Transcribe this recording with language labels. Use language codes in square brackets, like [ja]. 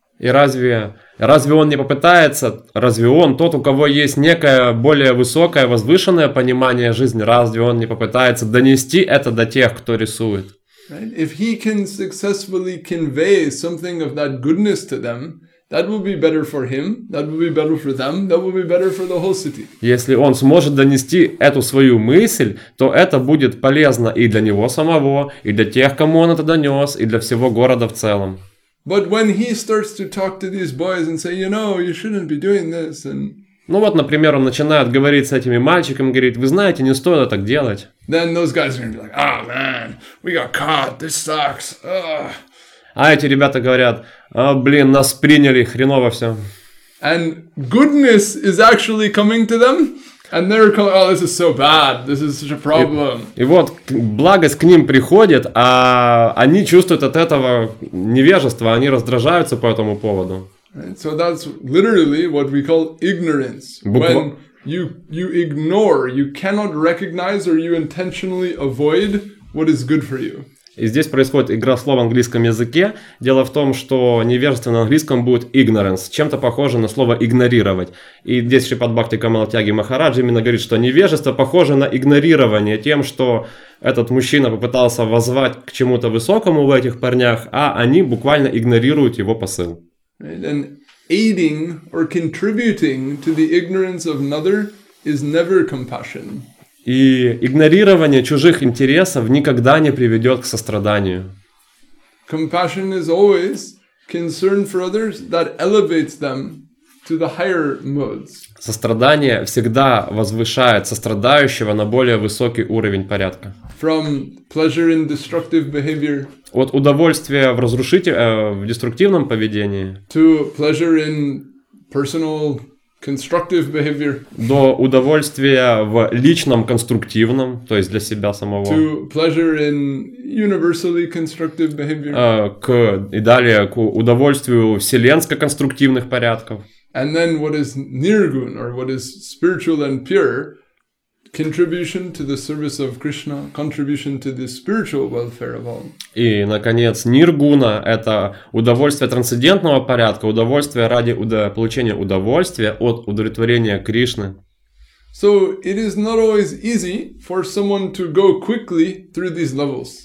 [ru] И разве он не попытается, разве он тот, у кого есть некое более высокое, возвышенное понимание жизни, разве он не попытается донести это до тех, кто рисует? [en] Right? If he can successfully convey something of that goodness to them, that will be better for him, that will be better for them, that will be better for the whole city. [ru] Если он сможет донести эту свою мысль, то это будет полезно и для него самого, и для тех, кому он это донес, и для всего города в целом. [en] But when he starts to talk to these boys and say, you know, you shouldn't be doing this, and [ru] Ну вот, например, он начинает говорить с этими мальчиками, говорит, вы знаете, не стоит так делать. [en] Then those guys are gonna be like, oh man, we got caught, this sucks. [ru] А эти ребята говорят, о, блин, нас приняли, хреново все. [en] And goodness is actually coming to them, and they're calling, oh, this is so bad, this is such a problem. [ru] И вот благость к ним приходит, а они чувствуют от этого невежество, они раздражаются по этому поводу. [en] And so that's literally what we call ignorance. When you ignore, you cannot recognize or you intentionally avoid what is good for you. [ru] И здесь происходит игра слов в английском языке. Дело в том, что невежество на английском будет ignorance, чем-то похоже на слово игнорировать. И здесь Шипат Бхакти Камал Тяги Махарадж именно говорит, что невежество похоже на игнорирование тем, что этот мужчина попытался воззвать к чему-то высокому в этих парнях, а они буквально игнорируют его посыл. [en] Right. And aiding or contributing to the ignorance of another is never compassion. [ru] И игнорирование чужих интересов никогда не приведет к состраданию. [en] Compassion is always concern for others that elevates them to the higher modes. [ru] Сострадание всегда возвышает сострадающего на более высокий уровень порядка. [en] From pleasure in destructive behavior. [ru] От удовольствия в в деструктивном поведении. [en] To pleasure in personal constructive behavior. [ru] До удовольствия в личном конструктивном, то есть для себя самого. [en] To pleasure in universally constructive behavior. [ru] К удовольствию вселенско-конструктивных порядков. [en] And then what is nirguna, or what is spiritual and pure, contribution to the service of Krishna, contribution to the spiritual welfare of all. [ru] И, наконец, ниргуна – это удовольствие трансцендентного порядка, удовольствие ради получения удовольствия от удовлетворения Кришны. [en] So it is not always easy for someone to go quickly through these levels.